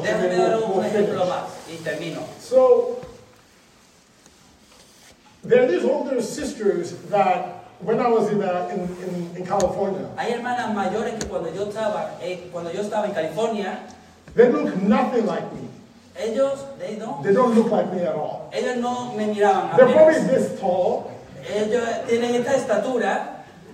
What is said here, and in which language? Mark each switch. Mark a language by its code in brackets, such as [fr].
[es] Déjame dar un ejemplo más y termino. [en] So, there are these older sisters that when I was in California. [es] Hay hermanas mayores que cuando yo estaba en California. [en] They look nothing like me. [es] Ellos, [en] they don't. They don't look like me at all. [es] Ellos no me miraban. [en] They're probably this tall. [es] Ellos tienen esta estatura.